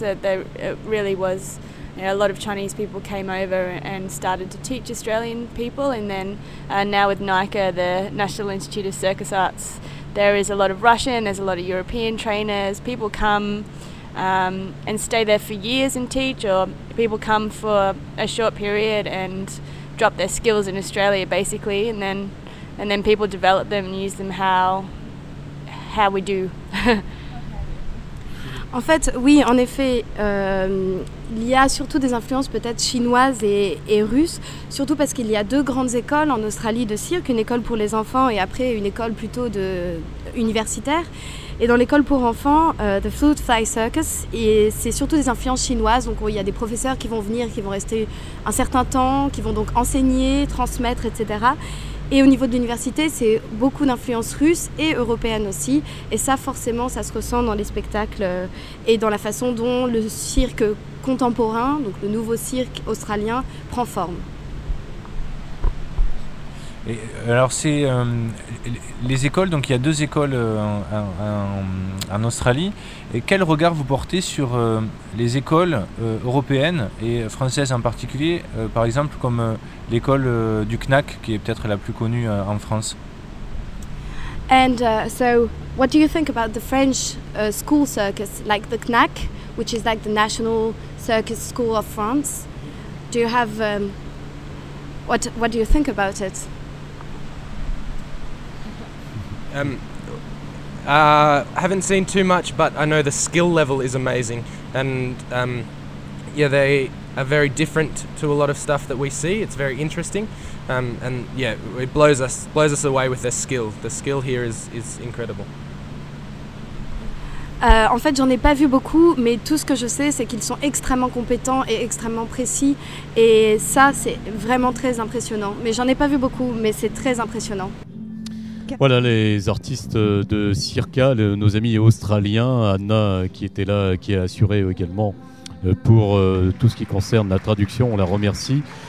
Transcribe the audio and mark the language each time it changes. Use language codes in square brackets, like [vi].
[en] That there it really was, you know, a lot of Chinese people came over and started to teach Australian people, and then now with NICA, the National Institute of Circus Arts, there is a lot of Russian, there's a lot of European trainers. People come and stay there for years and teach, or people come for a short period and drop their skills in Australia, basically, and then people develop them and use them how we do. [fr] En fait, oui, en effet, il y a surtout des influences peut-être chinoises et russes, surtout parce qu'il y a deux grandes écoles en Australie de cirque, une école pour les enfants et après une école plutôt universitaire. Et dans l'école pour enfants, The Fruitfly Circus, et c'est surtout des influences chinoises, donc il y a des professeurs qui vont venir, qui vont rester un certain temps, qui vont donc enseigner, transmettre, etc. Et au niveau de l'université, c'est beaucoup d'influences russes et européennes aussi. Et ça, forcément, ça se ressent dans les spectacles et dans la façon dont le cirque contemporain, donc le nouveau cirque australien, prend forme. Et alors, c'est les écoles. Donc, il y a deux écoles en Australie. Et quel regard vous portez sur les écoles européennes et françaises en particulier, par exemple, comme l'école du CNAC, qui est peut-être la plus connue en France. [en] And so, what do you think about the French school circus, like the CNAC, which is like the national circus school of France? Do you have what do you think about it? I haven't seen too much, but I know the skill level is amazing, and they are very different to a lot of stuff that we see. It's very interesting, and yeah, it blows us away with their skill. The skill here is incredible. [fr] En fait, j'en ai pas vu beaucoup, mais tout ce que je sais, c'est qu'ils sont extrêmement compétents et extrêmement précis, et ça, c'est vraiment très impressionnant. Mais j'en ai pas vu beaucoup, mais c'est très impressionnant. Voilà les artistes de Circa, nos amis australiens, Anna qui était là, qui a assuré également pour tout ce qui concerne la traduction, on la remercie.